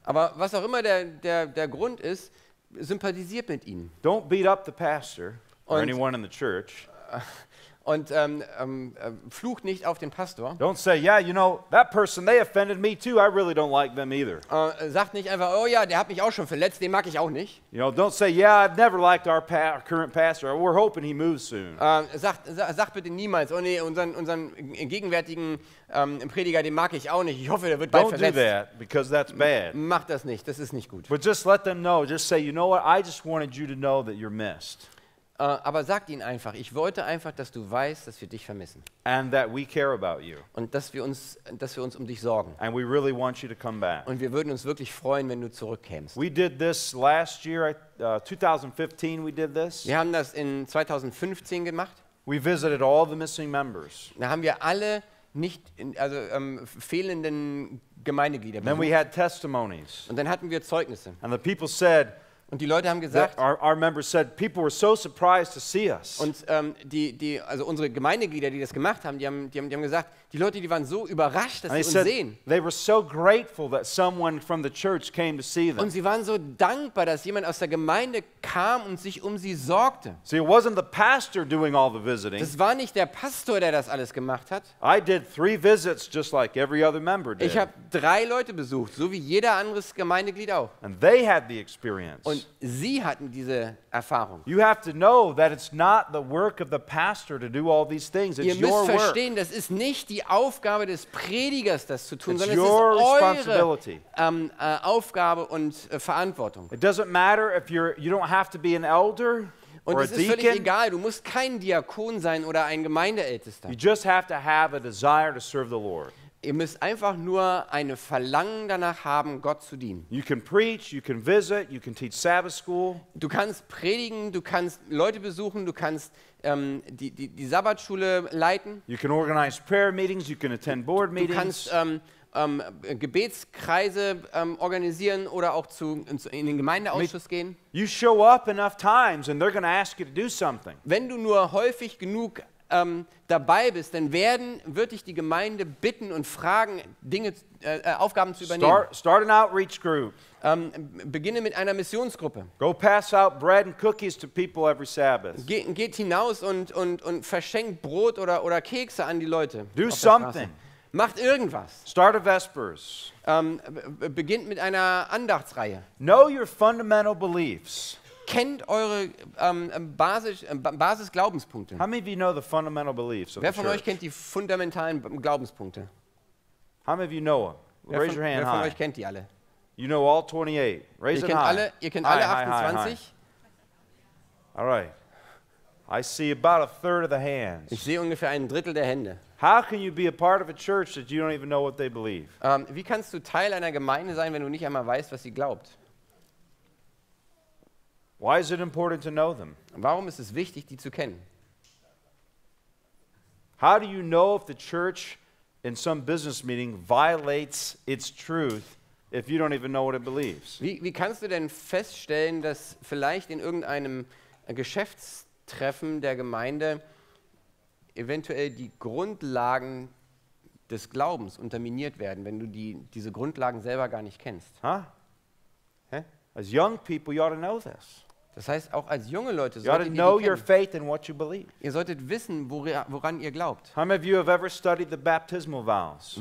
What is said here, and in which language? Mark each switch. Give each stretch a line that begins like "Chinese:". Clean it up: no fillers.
German: Aber was auch immer der Grund ist, sympathisiert mit ihnen.
English: Don't beat up the pastor or anyone in the church.
German: Und flucht nicht auf den Pastor.
English: Don't say, yeah, you know, that person, they offended me too. I really don't like them either.
German: Sagt nicht einfach, oh ja, der hat mich auch schon verletzt, den mag ich auch nicht.
English: You know, don't say, yeah, I've never liked our current pastor. We're hoping he moves soon.
German: Sagt bitte niemals, oh nee, unseren gegenwärtigen Prediger, den mag ich auch nicht. Ich hoffe, der wird bald
English: don't
German: verletzt.
English: Don't do that, because that's bad.
German: Mach das nicht, das ist nicht gut.
English: But just let them know. Just say, you know what, I just wanted you to know that you're missed.
German: Aber sagt ihnen einfach, ich wollte einfach, dass du weißt, dass wir dich vermissen.
English: And that we care about you.
German: Und dass wir uns um dich sorgen.
English: And we really want you to come back.
German: Und wir würden uns wirklich freuen, wenn du zurückkämst.
English: We did this last year, 2015 we did this.
German: Wir haben das in 2015 gemacht.
English: We visited all the missing members.
German: Da haben wir alle nicht in, also fehlenden Gemeindeglieder besucht.
English: Then we had testimonies.
German: Und dann hatten wir Zeugnisse.
English: And the people said,
German: und die Leute haben gesagt,
English: our members said people were so surprised to see us.
German: Und also unsere Gemeindeglieder, die das gemacht haben, die haben gesagt, die Leute, die waren so überrascht, dass
English: and
German: sie uns sehen.
English: They were so grateful that someone from the church came to see them.
German: Und sie waren so dankbar, dass jemand aus der Gemeinde kam und sich um sie sorgte.
English: See, it wasn't the pastor doing all the visiting.
German: Das war nicht der Pastor, der das alles gemacht hat.
English: I did three visits just like every other member did.
German: Ich habe drei Leute besucht, so wie jeder andere Gemeindeglied auch.
English: And they had the experience.
German: Und sie hatten diese Erfahrung.
English: You have to know that it's not the work of the pastor to do all these things. It's
German: ihr müsst
English: your
German: verstehen,
English: work.
German: Das ist nicht die Aufgabe des Predigers, das zu tun,
English: it's
German: sondern
English: your
German: es ist
English: responsibility.
German: Eure Aufgabe und Verantwortung.
English: It doesn't matter if you don't have to be an elder
German: und
English: or
German: es
English: a deacon.
German: Ist völlig egal, du musst kein Diakon sein oder ein Gemeindeältester.
English: You just have to have a desire to serve the Lord.
German: Ihr müsst einfach nur eine Verlangen danach haben, Gott zu dienen.
English: You can preach, you can visit, you can teach Sabbath school.
German: Du kannst predigen, du kannst Leute besuchen, du kannst die Sabbatschule leiten.
English: You can organize prayer meetings, you can attend board meetings.
German: Du kannst Gebetskreise organisieren oder auch in den Gemeindeausschuss gehen.
English: You show up enough times and they're going to ask you to do something.
German: Wenn du nur häufig genug dabei bist, dann wird dich die Gemeinde bitten und fragen, Dinge, Aufgaben zu übernehmen.
English: Start an outreach group.
German: Beginne mit einer Missionsgruppe.
English: Go pass out bread and cookies to people every Sabbath.
German: Geht hinaus und verschenkt Brot oder Kekse an die Leute.
English: Do something.
German: Macht irgendwas.
English: Start a Vespers.
German: Beginnt mit einer Andachtsreihe.
English: Know your fundamental beliefs.
German: Kennt eure Basis-Glaubenspunkte.
English: How many of you know the fundamental beliefs of the church?
German: Wer von euch kennt die fundamentalen Glaubenspunkte?
English: How many of you know them? Raise your hand high.
German: Wer von euch kennt die alle?
English: You know all 28. Raise them high.
German: Ihr kennt alle 28.
English: All right. I see about a third of the hands.
German: Ich sehe ungefähr ein Drittel der Hände.
English: How can you be a part of a church that you don't even know what they believe?
German: Wie kannst du Teil einer Gemeinde sein, wenn du nicht einmal weißt, was sie glaubt?
English: Why is it important to know them?
German: Warum ist es wichtig, die zu kennen?
English: How do you know if the church in some business meeting violates its truth if you don't even know what it believes?
German: Wie kannst du denn feststellen, dass vielleicht in irgendeinem Geschäftstreffen der Gemeinde eventuell die Grundlagen des Glaubens unterminiert werden, wenn du diese Grundlagen selber gar nicht kennst? Huh?
English: As young people, you ought to know this.
German: Das heißt, auch als junge Leute solltet ihr
English: know your faith in what you believe.
German: Ihr solltet wissen, woran ihr glaubt.
English: How many of you have ever studied the baptismal vows?